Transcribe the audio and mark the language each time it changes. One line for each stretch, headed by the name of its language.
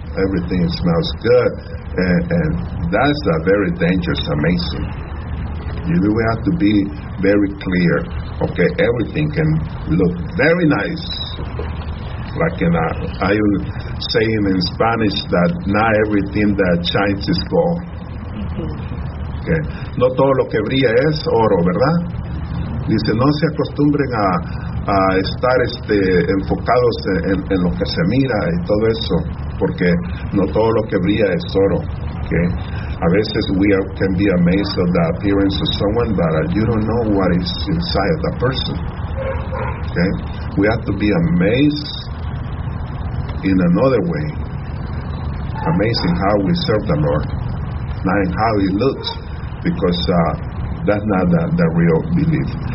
English: Everything smells good. And that's a very dangerous amazing. You know, we have to be very clear. Okay, everything can look very nice. Like in I would say in Spanish that not everything that shines is gold. Okay.
Spanish: No todo lo que brilla es oro, ¿verdad? Dice, no se acostumbren a estar enfocados en lo que se mira y todo eso, porque no todo lo que brilla es oro.
English: Okay?
Spanish: A veces
English: can be amazed at the appearance of someone, but you don't know what is inside of that person. Okay? We have to be amazed in another way. Amazing how we serve the Lord, not in how he looks, because that's not the real belief.